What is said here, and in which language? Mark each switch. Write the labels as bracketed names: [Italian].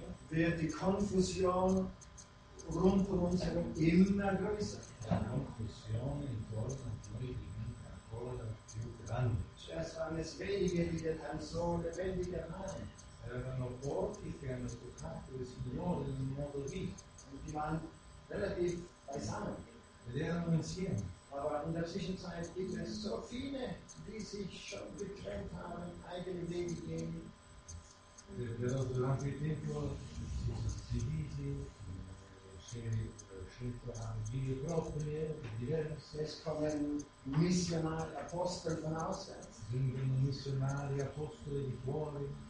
[German] wird die Konfusion rund um uns herum immer größer. [Italian] La confusione intorno a noi diventa ancora più grande. [German] Zuerst waren es wenige, die den Herrn so lebendig erfahren. [Italian] Erano pochi che hanno toccato il Signore in un modo lì. [German] Und die waren relativ beisammen. [Italian] Ed erano insieme. [German] Aber in der Zwischenzeit gibt es so viele, die sich schon getrennt haben, eigene Wege gehen. [Italian] Però durante il tempo si sono divisi, scelto vie proprie, diverse. [German] Es kommen [Italian] missionari, apostoli [German] von auswärts. [Italian] Vengono missionari, apostoli di fuori.